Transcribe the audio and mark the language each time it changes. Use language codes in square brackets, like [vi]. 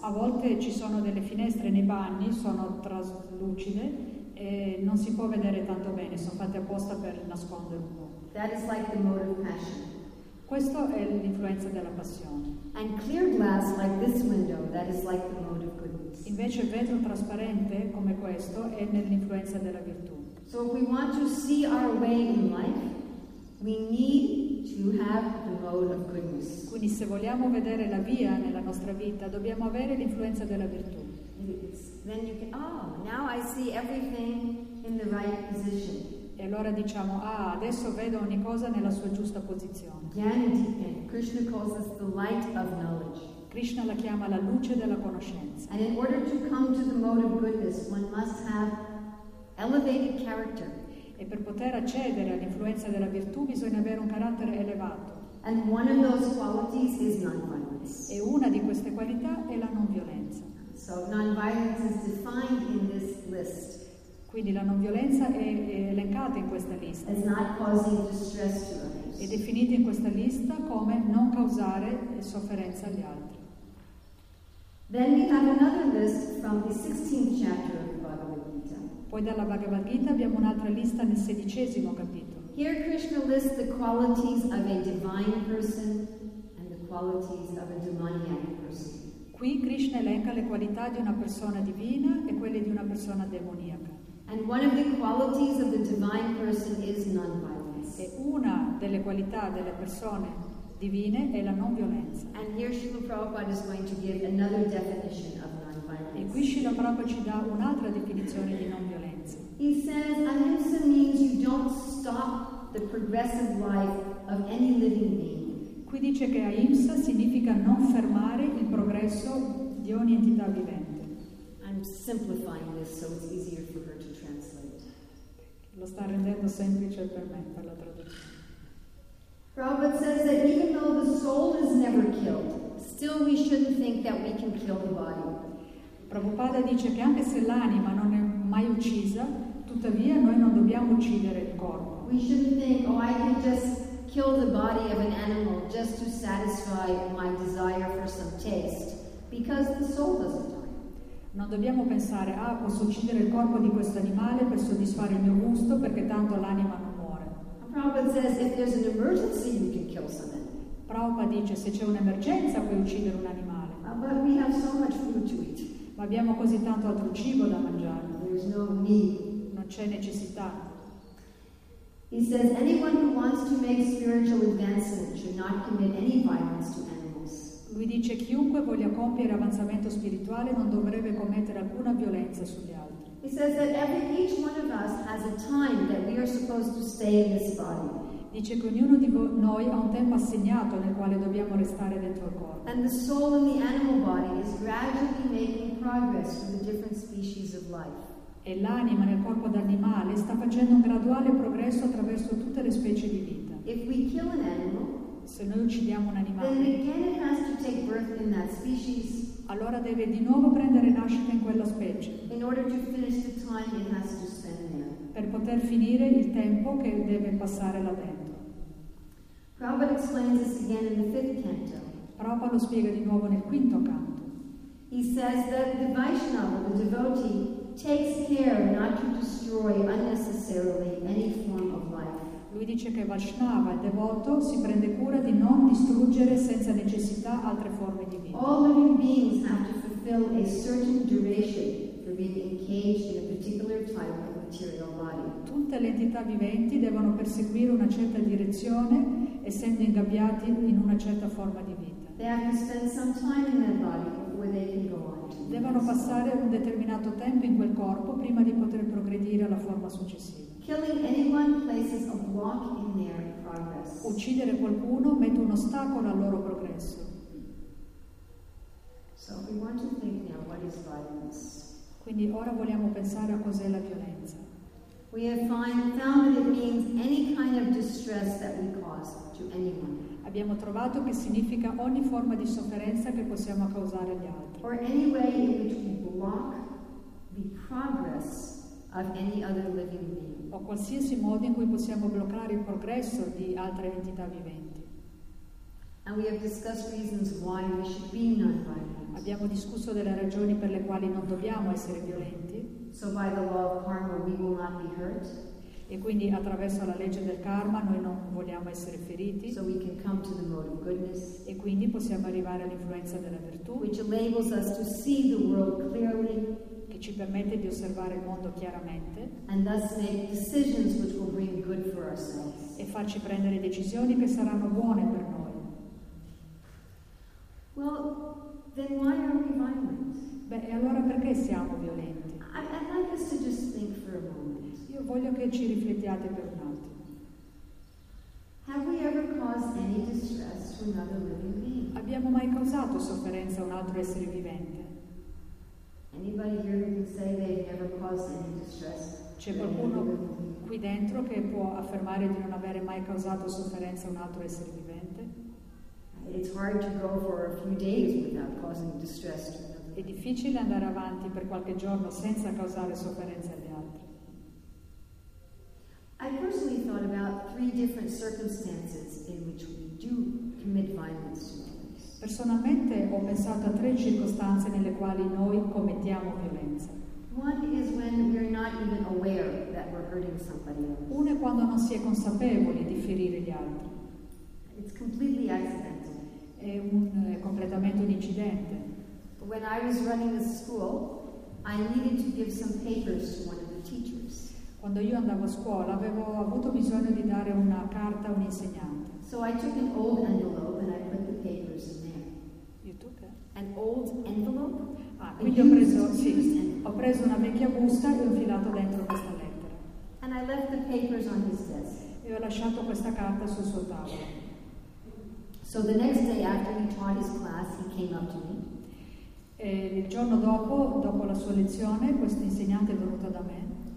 [it] A volte ci sono delle finestre nei bagni, sono traslucide e non si può vedere tanto bene, sono fatte apposta per nascondere un po'. [en] That is like the mode of passion. [it] Questo è l'influenza della passione. [en] And clear glass like this window, that is like the mode of goodness. [it] Invece vetro trasparente come questo è nell'influenza della virtù. [en] So if we want to see our way in life, we need to have the mode of goodness. [it] Quindi se vogliamo vedere la via nella nostra vita, dobbiamo avere l'influenza della virtù. [en] Then you can, oh, now I see everything in the right position. [it] E allora diciamo, ah, adesso vedo ogni cosa nella sua giusta posizione. [en] Jnanatipe, Krishna calls us the light of knowledge. [it] Krishna la chiama la luce della conoscenza. [en] And in order to come to the mode of goodness, one must have elevated character. [it] E per poter accedere all'influenza della virtù bisogna avere un carattere elevato. [en] And one of those qualities is non-violence. [it] E una di queste qualità è la non violenza. [en] So non-violence is defined in this list. [it] Quindi la non violenza è elencata in questa lista. [en] As not causing distress to others. [it] È definita in questa lista come non causare sofferenza agli altri. [en] Then we have another list from the 16th chapter of the Bhagavad Gita. [it] Poi dalla Bhagavad Gita abbiamo un'altra lista nel 16° capitolo. [en] Here Krishna lists the qualities of a divine person and the qualities of a demoniac person. [it] Qui Krishna elenca le qualità di una persona divina e quelle di una persona demoniaca. [en] And one of the qualities of the divine person is non-violence. [it] E una delle qualità delle persone divine è la non violenza. [en] And here Srila Prabhupada is going to give another definition of non-violence. [it] E qui Srila Prabhupada ci dà un'altra definizione di non violenza. [en] He says ahimsa means you don't stop the progressive life of any living being. [it] Qui dice che ahimsa significa non fermare il progresso di ogni entità vivente. [en] I'm simplifying this so it's easier for her to translate. [it] Lo sta rendendo semplice per me per la traduzione. [en] Prabhupada says that even though the soul is never killed, still we shouldn't think that we can kill the body. [it] Prabhupada dice che anche se l'anima non è mai uccisa, tuttavia noi non dobbiamo uccidere il corpo. [en] We shouldn't think, oh, I can just kill the body of an animal just to satisfy my desire for some taste, because the soul doesn't die. [it] Non dobbiamo pensare, ah, posso uccidere il corpo di questo animale per soddisfare il mio gusto, perché tanto l'anima non muore. [en] Prabhupada says, if there's an emergency, you can kill some animal. [it] Prabhupada dice, se c'è un'emergenza, puoi uccidere un animale. [en] But we have so much food to eat. [it] Ma abbiamo così tanto altro cibo da mangiare. [en] There's no need. [it] Non c'è necessità. [en] He says, anyone who wants to make spiritual advancement should not commit any violence to animals. [it] Lui dice, chiunque voglia compiere avanzamento spirituale non dovrebbe commettere alcuna violenza sugli altri. [en] He says that each one of us has a time that we are supposed to stay in this body. [it] Dice che ognuno di noi ha un tempo assegnato nel quale dobbiamo restare dentro il corpo. [en] And the soul in the animal body is gradually making progress through the different species of life. [it] E l'anima nel corpo d'animale sta facendo un graduale progresso attraverso tutte le specie di vita. [en] If we kill an animal, [it] se noi uccidiamo un animale, [en] then again it has to take birth in that species. [it] Allora deve di nuovo prendere nascita in quella specie. [en] In order to finish the time it has to spend there. [it] Per poter finire il tempo che deve passare là dentro. [en] Prabhupada explains this again in the fifth canto. [it] Prabhupada lo spiega di nuovo nel quinto canto. [en] He says that the Vaishnava, the devotee, takes care not to destroy unnecessarily any form of life. [it] Lui dice che Vaishnava, il devoto, si prende cura di non distruggere senza necessità altre forme di vita. [en] All living beings have to fulfill a certain duration for being engaged in a particular type of material body. [it] Tutte le entità viventi devono perseguire una certa direzione essendo ingabbiati in una certa forma di vita. [en] They have to spend some time in that body before they can go on. [it] Devono passare un determinato tempo in quel corpo prima di poter progredire alla forma successiva. [en] Killing anyone places a block in their progress. [it] Uccidere qualcuno mette un ostacolo al loro progresso. [en] So we want to think now, what is violence? [it] Quindi ora vogliamo pensare a cos'è la violenza. [en] We have found that it means any kind of distress that we cause to anyone. [it] Abbiamo trovato che significa ogni forma di sofferenza che possiamo causare agli altri. [en] Or any way in which we block the progress of any other living being. [it] O qualsiasi modo in cui possiamo bloccare il progresso di altre entità viventi. [en] And we have discussed reasons why we should be non-violent. [it] Abbiamo discusso delle ragioni per le quali non dobbiamo essere violenti. [en] So by the law of karma we will not be hurt. [it] E quindi attraverso la legge del karma noi non vogliamo essere feriti. [en] So we can come to the mode of goodness, [it] e quindi possiamo arrivare all'influenza della virtù, [en] which enables us to see the world clearly, [it] che ci permette di osservare il mondo chiaramente, [en] and thus make decisions which will bring good for ourselves, [it] e farci prendere decisioni che saranno buone per noi. [en] Well, then why are we violent? [it] Beh, e allora perché siamo violenti? [en] I'd like us to just think for a moment. [it] voglio che ci riflettiate per un attimo. [en] Have we ever caused any distress to another living being? [it] Abbiamo mai causato sofferenza a un altro essere vivente? [en] Anybody here can say they never caused any distress? [it] C'è qualcuno qui dentro che può affermare di non avere mai causato sofferenza a un altro essere vivente? [en] It's hard to go for a few days without causing distress to another. [it] È difficile andare avanti per qualche giorno senza causare sofferenza agli altri. [en] I personally thought about three different circumstances in which we do commit violence to others. [it] Personalmente ho pensato a tre circostanze nelle quali noi commettiamo violenza. [en] One is when we're not even aware that we're hurting somebody else. [it] Uno è quando non si è consapevoli di ferire gli altri. [en] It's completely accidental. [it] È completamente un incidente. [en] When I was running the school, I needed to give some papers to one of the teachers. [it] Quando io andavo a scuola, avevo avuto bisogno di dare una carta a un insegnante. [en] So I took an old envelope and I put the papers in there. You took it? An old envelope? [it] Ah, quindi ho preso una vecchia busta e ho infilato dentro questa lettera. [en] And I left the papers on his desk. [it] E ho lasciato questa carta sul suo tavolo. [en] So the next day after he taught his class, he came up to me. [it] E il giorno dopo la sua lezione, questo insegnante è venuto da me.